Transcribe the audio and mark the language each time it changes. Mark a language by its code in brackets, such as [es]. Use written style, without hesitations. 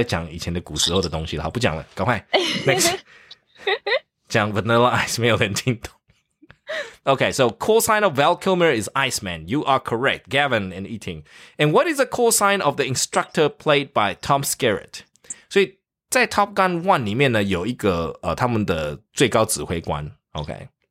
[zh] 完蛋了！我又在讲以前的古时候的东西了。好，不讲了，赶快。Next， 讲 Vanilla Ice 没有人听懂。 [en] Okay, so call sign of Val Kilmer is Iceman. You are correct, Gavin and Yiting. And what is the call sign of the instructor played by Tom Skerritt? [zh] 所以在 Top Gun 1里面呢，有一个他们的最高指挥官。Okay.